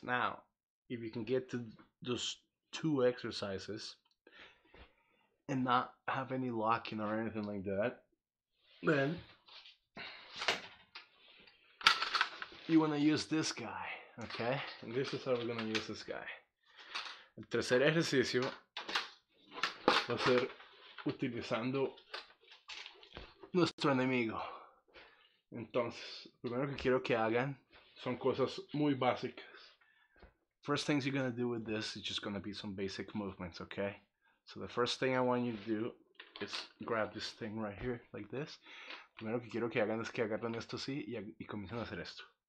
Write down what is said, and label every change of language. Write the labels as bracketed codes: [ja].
[en] Now, if you can get to those two exercises and not have any locking or anything like that, then you want to use this guy, okay? And this is how we're going to use this guy. [es] El tercer ejercicio va a ser utilizando nuestro enemigo. Entonces, primero que quiero que hagan son cosas muy básicas. [en] First things you're going to do with this is just going to be some basic movements, okay? So the first thing I want you to do is grab this thing right here, like this. [es] Primero que quiero que hagan es que agarren esto así y comiencen a hacer esto.